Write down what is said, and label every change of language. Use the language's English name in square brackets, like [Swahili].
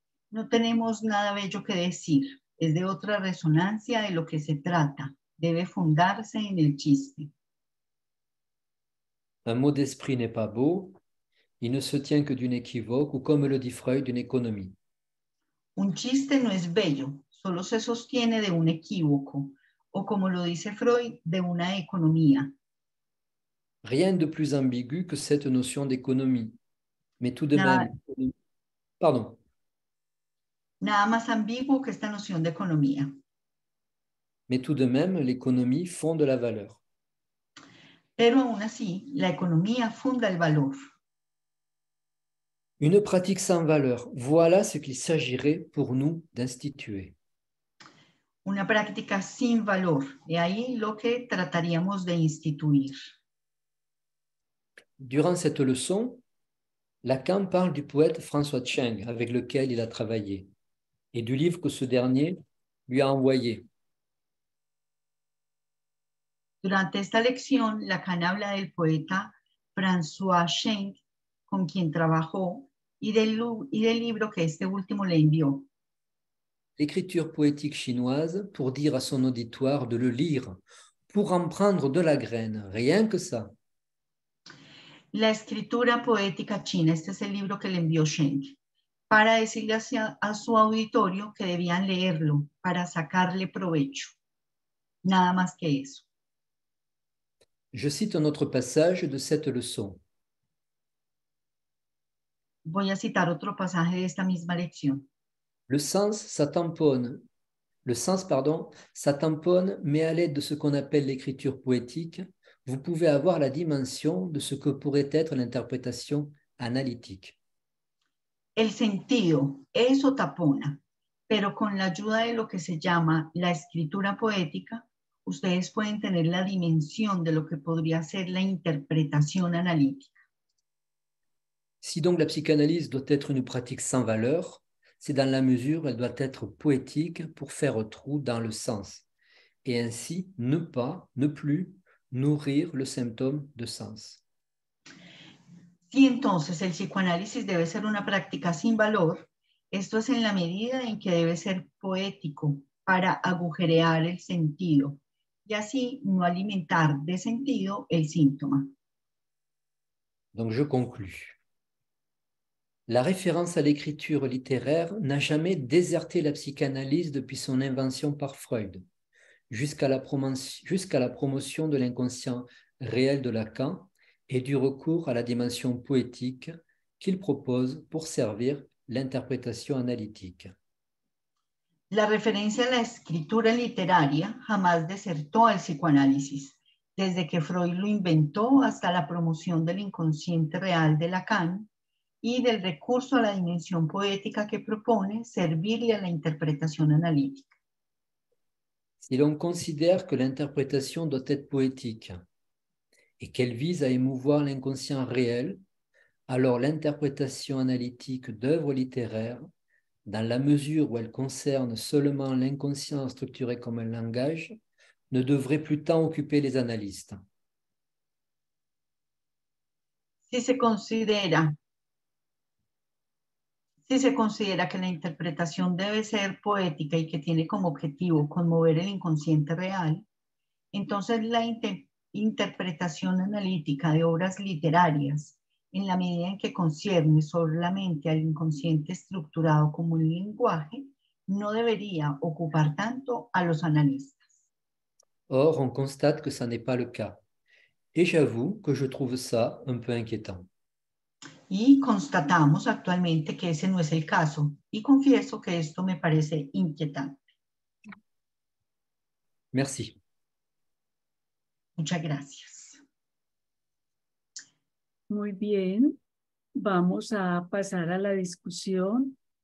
[Spanish] No tenemos nada bello que decir. Es de otra resonancia de lo que se trata. Debe fundarse en el chiste. [French] Un mot d'esprit n'est pas beau. Il ne se tient que d'une équivoque ou, comme le dit Freud, d'une économie. [Spanish] Un chiste no es bello. Solo se sostiene de un equívoco. O como lo dice Freud, de una economía. [French] Rien de plus ambigu que cette notion d'économie. Mais tout de nada, même... Pardon. [Spanish] Nada más ambiguo que esta noción de economía. [French] Mais tout de même, l'économie fonde la valeur. [Spanish] Pero aún así, la economía funda el valor. [French] Une pratique sans valeur, voilà ce qu'il s'agirait pour nous d'instituer. [Spanish] Una práctica sin valor, y ahí lo que trataríamos de instituir. [French] Durant cette leçon, Lacan parle du poète François Cheng, avec lequel il a travaillé, et du livre que ce dernier lui a envoyé. [Spanish] Durante esta lección, Lacan habla del poeta François Cheng, con quien trabajó, y del libro que este último le envió. [French] L'écriture poétique chinoise pour dire à son auditoire de le lire, pour en prendre de la graine, rien que ça. [Spanish] La escritura poética china, este es el libro que le envió Sheng, para decirle a su auditorio que debían leerlo, para sacarle provecho. Nada más que eso. [French] Je cite un autre passage de cette leçon. [Spanish] Voy a citar otro pasaje de esta misma lección. [French] Le sens s'attampone, mais à l'aide de ce qu'on appelle l'écriture poétique, vous pouvez avoir la dimension de ce que pourrait être l'interprétation analytique. [Spanish] El sentido, eso tapona, pero con la ayuda de lo que se llama la escritura poética, ustedes pueden tener la dimensión de lo que podría ser la interpretación analítica. [French] Si donc la psychanalyse doit être une pratique sans valeur, c'est dans la mesure où elle doit être poétique pour faire trou dans le sens et ainsi ne plus nourrir le symptôme de sens. [Spanish] Si entonces el psicoanálisis debe ser una práctica sin valor, esto es en la medida en que debe ser poético para agujerear el sentido y así no alimentar de sentido el síntoma. [French] Donc je conclus. La référence à l'écriture littéraire n'a jamais déserté la psychanalyse depuis son invention par Freud, jusqu'à la promotion de l'inconscient réel de Lacan et du recours à la dimension poétique qu'il propose pour servir l'interprétation analytique. [Spanish] La referencia a la escritura literaria jamás desertó al psicoanálisis, desde que Freud lo inventó hasta la promoción del inconsciente real de Lacan y del recurso a la dimensión poética que propone servirle a la interpretación analítica. [French] Si l'on considère que l'interprétation doit être poétique et qu'elle vise à émouvoir l'inconscient réel, alors l'interprétation analytique d'œuvres littéraires, dans la mesure où elle concerne seulement l'inconscient structuré comme un langage, ne devrait plus tant occuper les analystes. [Spanish] Si se considera que la interpretación debe ser poética y que tiene como objetivo conmover el inconsciente real, entonces la interpretación analítica de obras literarias, en la medida en que concierne solamente al inconsciente estructurado como un lenguaje, no debería ocupar tanto a los analistas. [French] Or, on constate que ça n'est pas le cas. Et j'avoue que je trouve ça un peu inquiétant. [Spanish] Y constatamos actualmente que ese no es el caso. Y confieso que esto me parece inquietante. Merci. Muchas gracias. Muy bien, vamos a pasar a la discusión.